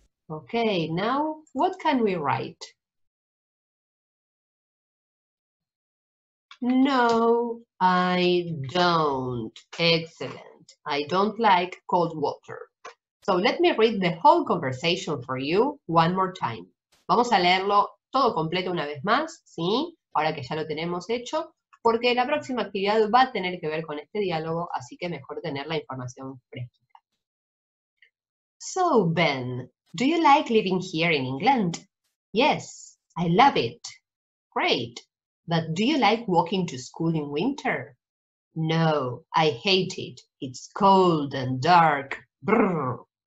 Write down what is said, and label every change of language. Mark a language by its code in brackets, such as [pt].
[en] Okay, now what can we write? No, I don't. Excellent. I don't like cold water. So let me read the whole conversation for you one more time. [es] Vamos a leerlo todo completo una vez más, ¿sí? Ahora que ya lo tenemos hecho, porque la próxima actividad va a tener que ver con este diálogo, así que mejor tener la información fresca. [en] So, Ben, do you like living here in England? Yes, I love it. Great, but do you like walking to school in winter? No, I hate it. It's cold and dark. Brr.